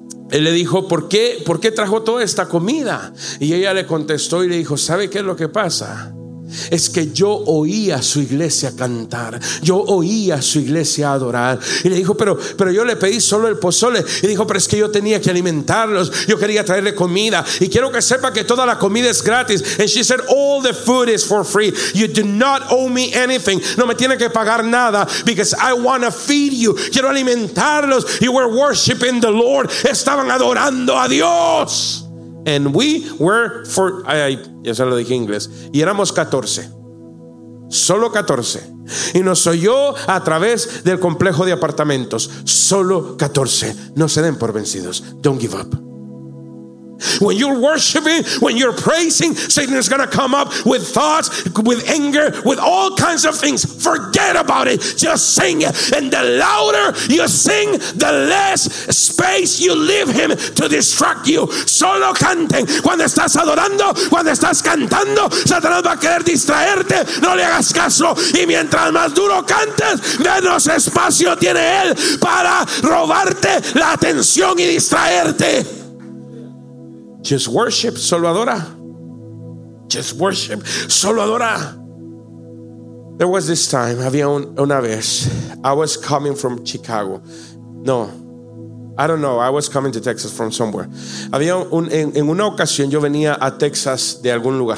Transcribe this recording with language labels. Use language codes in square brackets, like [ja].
[es] Él le dijo, ¿por qué trajo toda esta comida? Y ella le contestó y le dijo, ¿sabe qué es lo que pasa? Es que yo oía su iglesia cantar, yo oía su iglesia adorar. Y le dijo, pero yo le pedí solo el pozole. Y dijo, pero es que yo tenía que alimentarlos, yo quería traerle comida. Y quiero que sepa que toda la comida es gratis. [en] And she said, all the food is for free. You do not owe me anything. [es] No me tiene que pagar nada. [en] Because I want to feed you. [es] Quiero alimentarlos. [en] You were worshiping the Lord. [es] Estaban adorando a Dios. [en] And we were for, [es] ya se lo dije en inglés, y éramos 14, solo 14, y nos oyó a través del complejo de apartamentos, solo 14. No se den por vencidos, [en] don't give up. When you're worshiping, when you're praising, Satan is going to come up with thoughts, with anger, with all kinds of things. Forget about it. Just sing. And the louder you sing, the less space you leave him to distract you. [es] Solo canten. Cuando estás adorando, cuando estás cantando, Satanás va a querer distraerte. No le hagas caso. Y mientras más duro cantes, menos espacio tiene él para robarte la atención y distraerte. [en] Just worship, [es] solo adora. [en] Just worship, solo adora. There was this time, [es] había una vez, [en] I was coming from Chicago. No, I don't know, I was coming to Texas from somewhere. [es] Había en una ocasión, yo venía a Texas de algún lugar.